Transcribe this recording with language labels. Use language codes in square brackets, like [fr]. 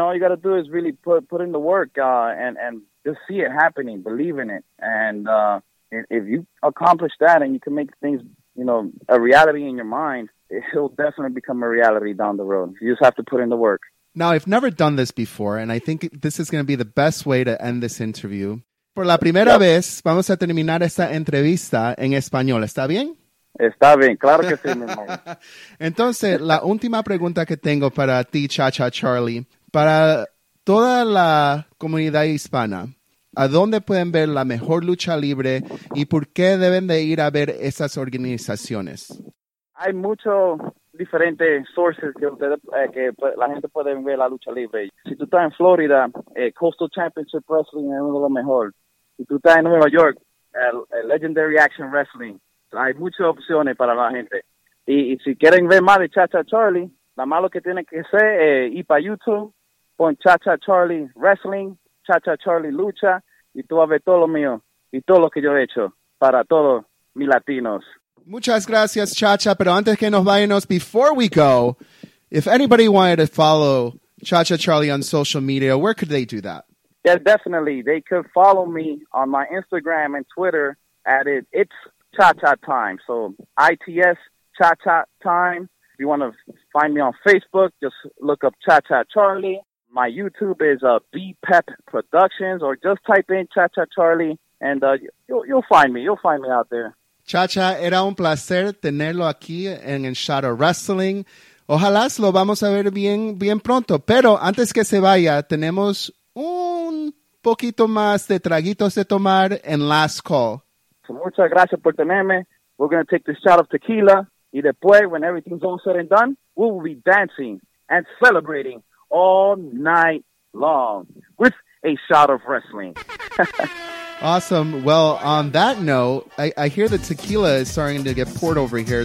[en] All you got to do is really put in the work and just see it happening, believe in it. And if you accomplish that and you can make things, you know, a reality in your mind, it'll definitely become a reality down the road. You just have to put in the work. Now, I've never done this before, and I think this is going to be the best way to end this interview. [es] Por la primera vez, vamos a terminar esta entrevista en español. ¿Está bien? Está bien, claro que sí, mi amor. Entonces, la última pregunta que tengo para ti, Cha-Cha Charlie, para toda la comunidad hispana, ¿a dónde pueden ver la mejor lucha libre y por qué deben de ir a ver esas organizaciones? Hay muchos diferentes sources que la gente puede ver la lucha libre. Si tú estás en Florida, Coastal Championship Wrestling es uno de los mejores. Si tú estás en Nueva York, Legendary Action Wrestling. Hay muchas opciones para la gente. Y si quieren ver más de Cha-Cha Charlie, nada más lo que tienen que hacer es ir para YouTube, pon Cha-Cha Charlie Wrestling, Cha-Cha Charlie Lucha, y tú vas a ver todo lo mío y todo lo que yo he hecho para todos mis latinos. Muchas gracias, Cha-Cha. Pero antes que nos vayamos, [en] before we go, if anybody wanted to follow Cha-Cha Charlie on social media, where could they do that? Yeah, definitely. They could follow me on my Instagram and Twitter at it's Cha-Cha Time. So ITS Cha-Cha Time. If you want to find me on Facebook, just look up Cha-Cha Charlie. My YouTube is B-Pep Productions, or just type in Cha-Cha Charlie, and you'll find me. You'll find me out there. [es] Cha-Cha, era un placer tenerlo aquí en Shadow Wrestling. Ojalá lo vamos a ver bien, bien pronto. Pero antes que se vaya, tenemos un poquito más de traguitos de tomar en Last Call. So, muchas gracias por tenerme. [en] We're going to take this shot of tequila. [es] Y después, [en] when everything's all said and done, we will be dancing and celebrating all night long with a shot of wrestling. Awesome. Well, on that note, I hear the tequila is starting to get poured over here.